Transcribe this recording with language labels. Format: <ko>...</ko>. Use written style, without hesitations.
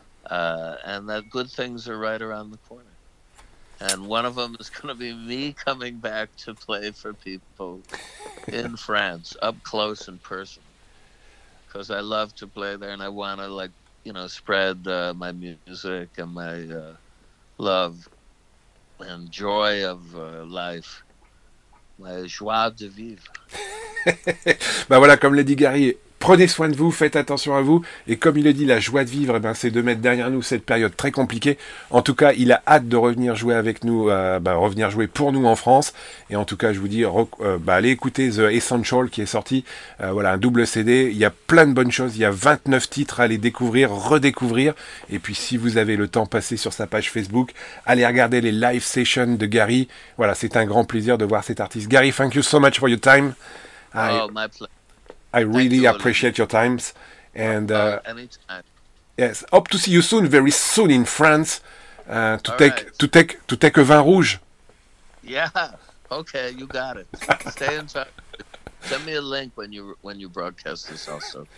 <en>And that good things are right around the corner. And one of them is going to be me coming back to play for people in France, up close and personal. Because I love to play there, and I want to, like, you know, spread my music and my love and joy of life, my joie de vivre.</en> <fr>Ben voilà, comme l'a dit Gary, prenez soin de vous, faites attention à vous, et comme il le dit, la joie de vivre, eh ben, c'est de mettre derrière nous cette période très compliquée. En tout cas, il a hâte de revenir jouer avec nous, revenir jouer pour nous en France, et en tout cas, je vous dis, allez écouter The Essential qui est sorti, voilà, un double CD, il y a plein de bonnes choses, il y a 29 titres à aller découvrir, redécouvrir, et puis si vous avez le temps, passez sur sa page Facebook, allez regarder les live sessions de Gary, voilà, c'est un grand plaisir de voir cet artiste.</fr> <en>Gary, thank you so much for your time. My pleasure. I really appreciate your times, and anytime. Yes, hope to see you soon, very soon in France, to take a</en> <fr>vin rouge.</fr> <en>Yeah. Okay, you got it. Stay in touch. Send me a link when you broadcast this also.</en>